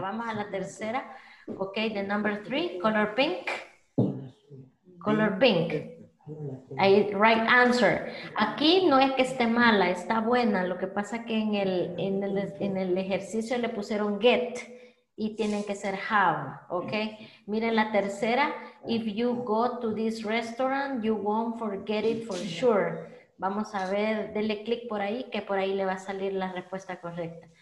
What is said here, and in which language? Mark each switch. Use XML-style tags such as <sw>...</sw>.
<es>Vamos a la tercera.</es> <en>Okay. The number 3. Color pink. Color pink. Right answer.</en> <es>Aquí no es que esté mala, está buena. Lo que pasa que en el ejercicio le pusieron get y tienen que ser have, okay? Miren la tercera.</es> <en>If you go to this restaurant, you won't forget it for sure.</en> <es>Vamos a ver, dele click por ahí que por ahí le va a salir la respuesta correcta.</es>